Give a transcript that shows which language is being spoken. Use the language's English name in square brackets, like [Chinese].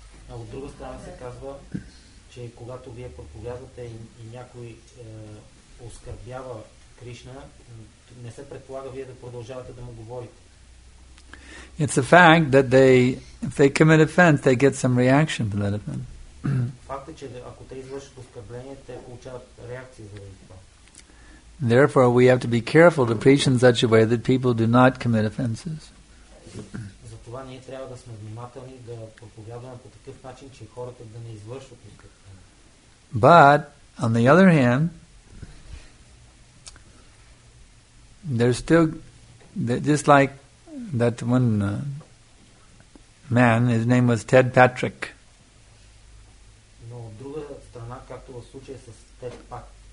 [Bulgarian] А от друга страна се казва, че когато вие проповядвате и някой оскърбява Кришна, не се предполага вие да продължавате да му говорите. [English] It's a fact that they, if they commit offense, they get some reaction from that offense. [Bulgarian] Факт е, че ако те извършат оскърбление, те получават реакция за това. [English] Therefore, we have to be careful to preach in such a way that people do not commit offenses. [Bulgarian] Затова ние трябва да сме внимателни да проповядваме по такъв начин, че хората да не извършват оскърбление. [English] But on the other hand, there's still just like that one man, his name was Ted Patrick. [Bulgarian] Но от друга страна, както в случая с Тед Патрик.